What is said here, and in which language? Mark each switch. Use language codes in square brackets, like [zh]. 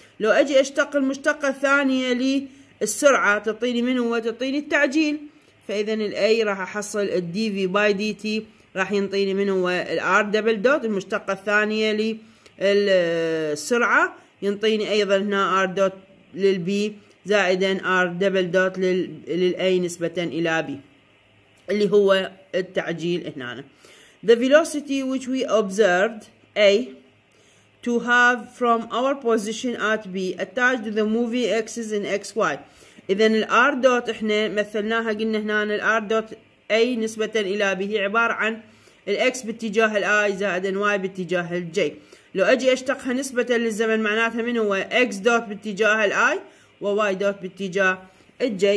[ar] لو أجي أشتق المشتقة الثانية للسرعة تعطيني من هو؟ تعطيني التعجيل، فإذا الـ A راح أحصل الـ DV by DT راح ينطيني من هو؟ الـ R دبل دوت، المشتقة الثانية للسرعة ينطيني أيضا هنا R دوت للـ B زائدا R دبل دوت للـ A نسبة إلى B اللي هو التعجيل هنا. [en] The velocity which we observed A to have from our position at B attached to the moving axis in XY. [ar] إذن الـ R dot إحنا مثلناها قلنا هنا الـ R dot A نسبة إلى B هي عبارة عن الـ X باتجاه الـ I زائد Y باتجاه الـ J. لو أجي أشتقها نسبة للزمن معناتها من هو؟ X dot باتجاه الـ I و Y dot باتجاه الـ J.